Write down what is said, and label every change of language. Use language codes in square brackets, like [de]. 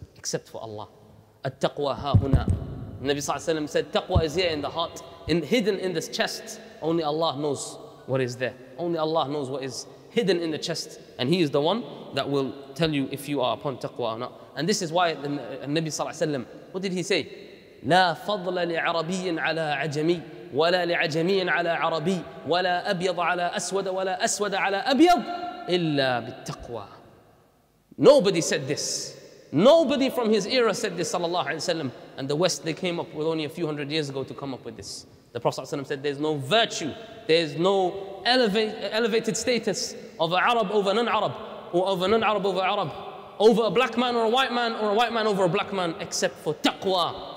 [en] Except for Allah. [ar] التقوى ها هنا. النبي صلى الله عليه وسلم [en] said, taqwa is here in the heart, in, hidden in the chest. Only Allah knows what is there. Only Allah knows what is hidden in the chest. And He is the one that will tell you if you are upon taqwa or not. And this is why the Nabi [ar] صلى الله عليه وسلم, [en] what did he say? [ar] لا فضل لعربي على عجمي ولا لعجمي على عربي ولا أبيض على أسود ولا أسود على أبيض إلا بالتقوى. [en] Nobody said this. Nobody from his era said this, sallallahu alayhi wa sallam. And the West, they came up with only a few hundred years ago to come up with this. The Prophet ﷺ said, there's no virtue, there's no elevated status of an Arab over a non-Arab, or of a non-Arab over Arab, over a black man or a white man, or a white man over a black man, except for taqwa.